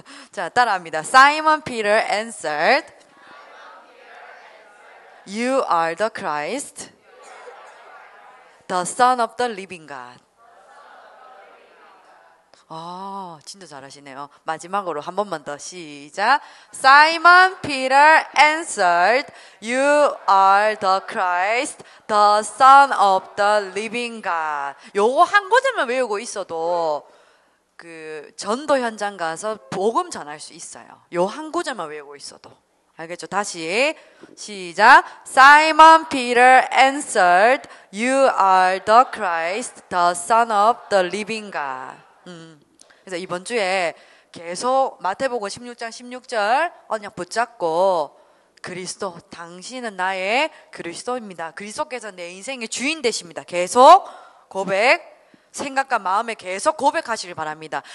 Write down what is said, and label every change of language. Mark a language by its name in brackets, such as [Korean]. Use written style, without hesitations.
[Korean] 자, 따라합니다. [English] Simon Peter answered. You are the Christ. The Son of the Living God. [Korean] 아, 진짜 잘하시네요. 마지막으로 한 번만 더 시작. [English] Simon Peter answered, You are the Christ, the Son of the Living God. [Korean] 요거 한 구절만 외우고 있어도 그 전도 현장 가서 복음 전할 수 있어요. 요 한 구절만 외우고 있어도. 알겠죠? 다시 시작. [English] Simon Peter answered, "You are the Christ, the Son of the Living God." [Korean] 그래서 이번 주에 계속 마태복음 16장 16절 언약 붙잡고 그리스도, 당신은 나의 그리스도입니다. 그리스도께서 내 인생의 주인 되십니다. 계속 고백, 생각과 마음에 계속 고백하시길 바랍니다.